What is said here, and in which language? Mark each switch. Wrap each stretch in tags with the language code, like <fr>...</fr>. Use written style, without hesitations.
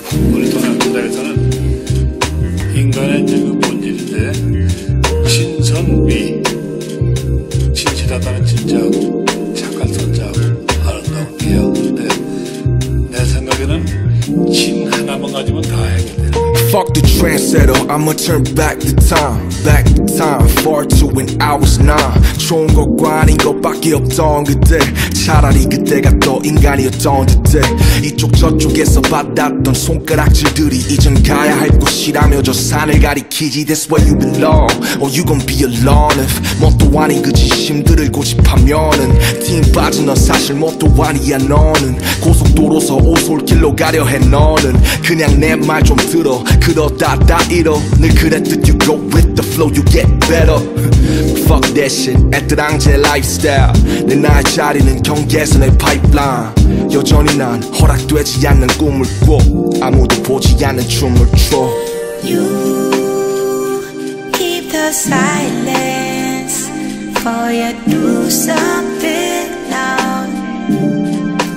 <ko>우리 동양군대에서는 인간의 그 본질인데 신선미, 진실하다는 진짜하고 착한 선자하고 아름다운 개혁인데 내 생각에는 진 하나만 가지면 다 해결돼.</ko> <en>Fuck the trendsetter, I'ma turn back the time. Back the time, far to when I was nine.</en> <ko>좋은 것과 아닌 것밖에 없던 그때. 차라리 그때가 더 인간이었던 듯해. 이쪽 저쪽에서 받았던 손가락질들이 이젠 가야 할 곳이라며 저 산을 가리키지.</ko> <en>That's where you belong, or you gon' be alone if</en> <ko>뭣도 아닌 그 진심들을 고집하면은 팀 빠진 넌 사실 뭣도 아니야 너는. 고속도로서 오솔길로 가려 해 너는. 그냥 내 말 좀 들어. 그러다 다 잃어. 늘 그랬듯</ko> <en>you go with the flow, you get better. Fuck that shit,</en> <ko>애틀랑제</ko> <en>lifestyle.</en> <ko>내 나의 자리는 경계선의 pipeline. 여전히 난 허락되지 않는 꿈을 꾸어. 아무도 보지 않는 춤을 춰.</ko> <en>You keep the silence, for you do something now.</en>